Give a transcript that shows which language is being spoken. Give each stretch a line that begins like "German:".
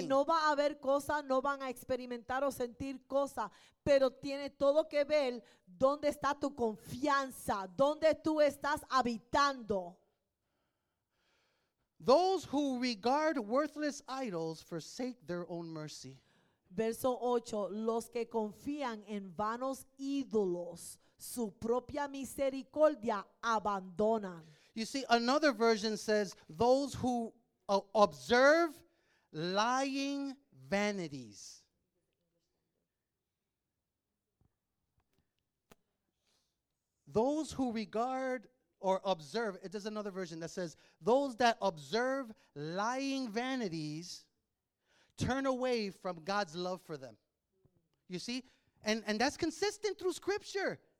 Spanish: Que no va a haber cosas, no van a experimentar o sentir cosas, pero tiene todo que ver dónde está tu confianza, dónde tú estás habitando.
English: Those who regard worthless idols forsake their own mercy.
Spanish: Verso 8, los que confían en vanos ídolos, su propia misericordia abandonan.
English: You see, another version says, those who observe lying vanities. Those who regard or observe, it is another version that says, those that observe lying vanities turn away from God's love for them. You see? And that's consistent through scripture.